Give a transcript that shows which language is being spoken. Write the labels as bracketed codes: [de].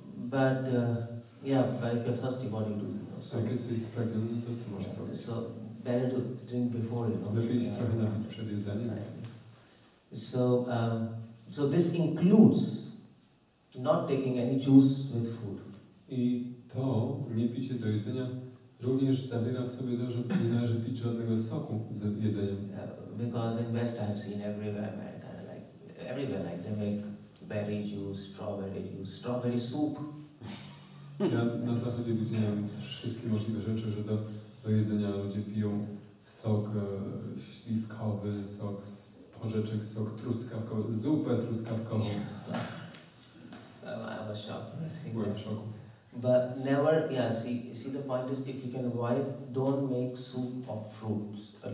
[en] But if you're thirsty, what do you do? [pl] Jak jesteś [en] pregnant, [pl] to co masz zrobić? [en] So better to drink before, you know. [pl] Lepiej się trochę napić przed jedzeniem. [en] So this includes not taking any juice with food. [pl] I to nie picie do jedzenia również zawiera w sobie to, że nie należy pić żadnego soku z jedzeniem. [en] Because in West I've seen everywhere, man. Everywhere, like they make berry juice, strawberry juice, strawberry soup. [pl] Ja na zachodzie widziałem wszystkie możliwe rzeczy, że do jedzenia ludzie piją sok śliwkowy, sok z porzeczek, sok truskawkowy, zupę truskawkową. [en] I was shocked. [pl] Byłem w szoku. [en] But never, yeah, see the point is, if you can avoid, don't make soup of fruits.